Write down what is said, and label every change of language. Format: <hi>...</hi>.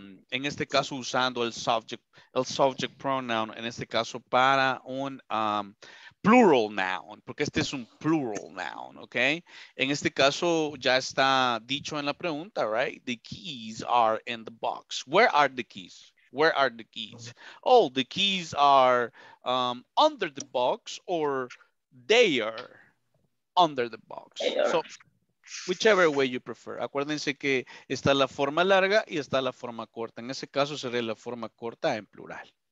<es>En este caso usando el subject pronoun, en este caso para un plural noun, porque este es un plural noun, okay? En este caso ya está dicho en la pregunta, right?</es> <en>The keys are in the box. Where are the keys? Oh, the keys are under the box, or they are under the box. So, whichever way you prefer.</en> <es>Acuérdense que está la forma larga y está la forma corta. En ese caso, sería la forma corta en plural.</es>